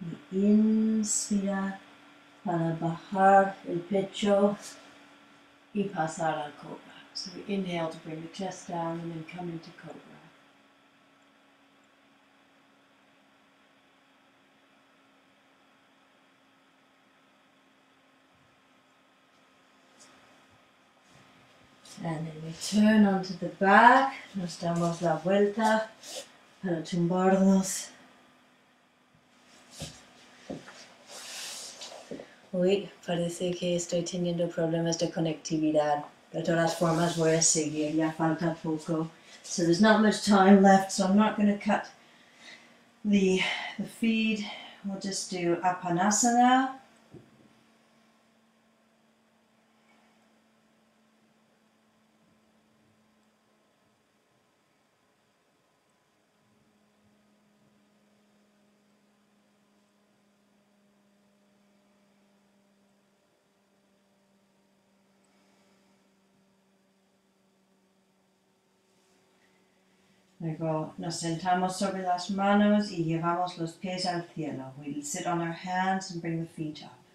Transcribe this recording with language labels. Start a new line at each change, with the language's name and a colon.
Spanish: Y inspira para bajar el pecho y pasar al cobra.
English: So we inhale to bring the chest down and then come into cobra. And then we turn onto the back,
Spanish: nos damos la vuelta para tumbarnos. Uy, parece que estoy teniendo problemas de conectividad. De todas formas voy a seguir, ya falta poco.
English: So there's not much time left, so I'm not going to cut the feed. We'll just do apanasana.
Spanish: Luego nos sentamos sobre las manos y llevamos los pies al cielo.
English: We'll sit on our hands and bring the feet up.